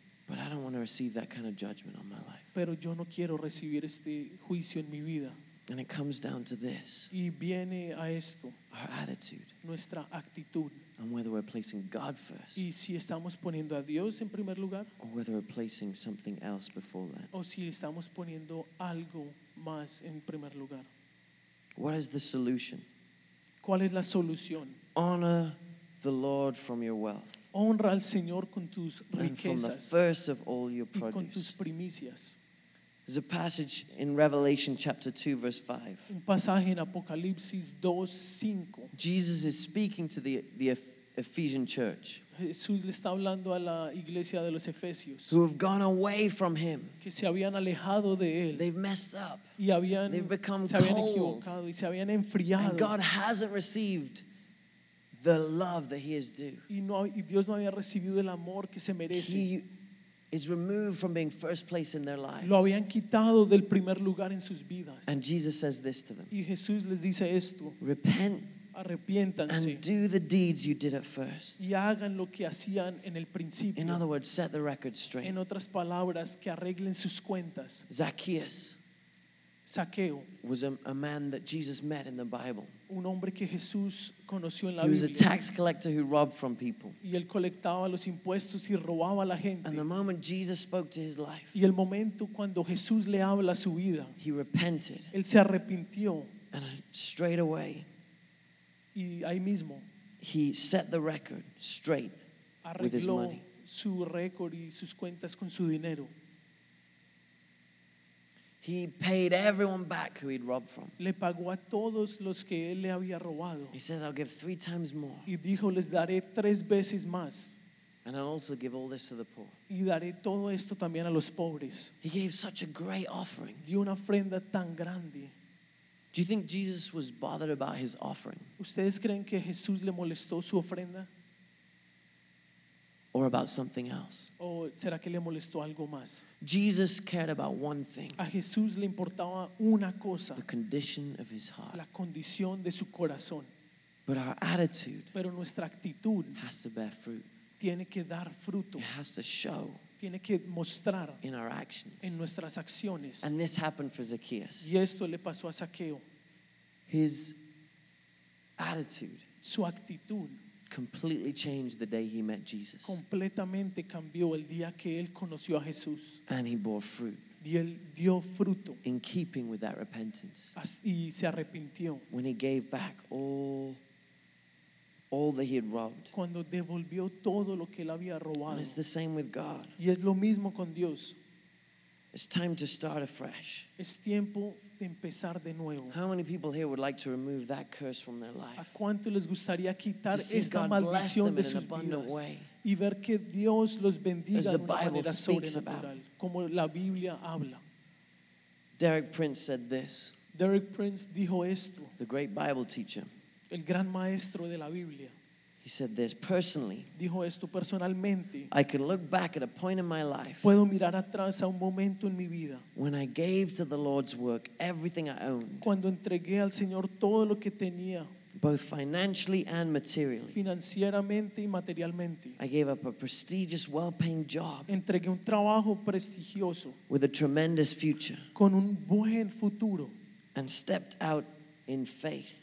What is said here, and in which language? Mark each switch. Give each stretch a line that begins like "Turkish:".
English: But I don't want to receive that kind of judgment on my life.
Spanish: Pero yo no quiero recibir este juicio en mi vida.
English: And it comes down to this.
Spanish: Y viene a esto.
English: Our attitude.
Spanish: Nuestra actitud.
English: And whether we're placing God first.
Spanish: Y si estamos poniendo a Dios en primer lugar.
English: Or whether we're placing something else before that.
Spanish: O si estamos poniendo algo más en primer lugar.
English: What is the solution?
Spanish: ¿Cuál es la solución?
English: Honor the Lord from your wealth.
Spanish: Honra al Señor con tus riquezas.
English: And from the first of all your produce.
Spanish: Y con tus primicias.
English: There's a passage in Revelation chapter 2 verse 5.
Spanish: Un pasaje en Apocalipsis 2:5.
English: Jesus is speaking to the Ephesian church.
Spanish: Jesús le está hablando a la iglesia de los Efesios.
English: Who have gone away from him.
Spanish: Que se habían alejado de él.
English: They've messed up.
Spanish: Y habían,
English: they've become
Spanish: se habían
English: cold.
Spanish: Equivocado y se habían enfriado.
English: And God hasn't received the love that he is due.
Spanish: Y no, y Dios no había recibido el amor que se merece.
English: He is removed from being first place in their lives.
Spanish: Lo habían quitado del primer lugar en sus vidas.
English: And Jesus says this to them.
Spanish: Y Jesús les dice esto.
English: Repent.
Spanish: Arrepiéntanse.
English: And do the deeds you did at first.
Spanish: Y hagan lo que hacían en el principio.
English: In other words, set the record straight.
Spanish: En otras palabras, que arreglen sus cuentas.
English: Zacchaeus.
Spanish: Zaqueo.
English: Was a man that Jesus met in the Bible.
Spanish: Un hombre que Jesús conoció en la
English: he
Spanish: Biblia.
English: Was a tax collector who robbed from people.
Spanish: Y él colectaba los impuestos y robaba a la gente.
English: And the moment Jesus spoke to his life,
Spanish: y el momento cuando Jesús le habla a su vida,
English: he repented.
Spanish: Él se arrepintió.
English: And straight away,
Spanish: y ahí mismo,
English: he set the record straight with his money.
Spanish: Arregló su récord y sus cuentas con su dinero.
English: He paid everyone back who he'd robbed from.
Spanish: Le pagó a todos los que él le había robado.
English: He says, "I'll give three times more."
Spanish: Y dijo, les daré tres veces más.
English: And I'll also give all this to the poor.
Spanish: Y daré todo esto también a los pobres.
English: He gave such a great offering.
Spanish: Dio una ofrenda tan grande.
English: Do you think Jesus was bothered about his offering?
Spanish: ¿Ustedes creen que Jesús le molestó su ofrenda?
English: Or about something else.
Spanish: ¿O será que le molestó algo más?
English: Jesus cared about one thing.
Spanish: A Jesús le importaba una cosa.
English: The condition of his heart.
Spanish: La condición de su corazón.
English: But our attitude.
Spanish: Pero nuestra actitud.
English: Has to bear fruit.
Spanish: tiene que dar fruto.
English: It has to show.
Spanish: Tiene que mostrar
English: in our actions.
Spanish: En nuestras acciones.
English: And this happened for Zacchaeus.
Spanish: Y esto le pasó a Zaqueo.
English: His attitude.
Spanish: Su actitud.
English: Completely changed the day he met Jesus.
Spanish: Completamente cambió el día que él conoció a Jesús.
English: And he bore fruit.
Spanish: Y él dio fruto.
English: In keeping with that repentance.
Spanish: Y se arrepintió.
English: When he gave back all that he had robbed.
Spanish: Cuando devolvió todo lo que él había robado.
English: And it's the same with God.
Spanish: Y es lo mismo con Dios.
English: It's time to start afresh.
Spanish: Es tiempo de empezar de nuevo.
English: How many people here would like to remove that curse from their life?
Spanish: ¿A cuánto les gustaría quitar
English: to see
Spanish: esta
English: God
Spanish: maldición
English: bless them
Spanish: de sus
English: in an abundant way?
Spanish: Y ver que Dios los bendiga
English: as the Bible
Spanish: manera
English: speaks about.
Spanish: Como la Biblia habla.
English: Derek Prince said this.
Spanish: Derek Prince dijo esto.
English: The great Bible teacher.
Spanish: El gran maestro de la Biblia.
English: He said this personally.
Spanish: Dijo esto personalmente.
English: I can look back at a point in my life.
Spanish: Puedo mirar atrás a un momento en mi vida.
English: When I gave to the Lord's work everything I owned.
Spanish: Cuando entregué al Señor todo lo que tenía.
English: Both financially and materially.
Spanish: Financieramente y materialmente.
English: I gave up a prestigious, well-paying job.
Spanish: Entregué un trabajo prestigioso.
English: With a tremendous future.
Spanish: Con un buen futuro.
English: And stepped out in faith,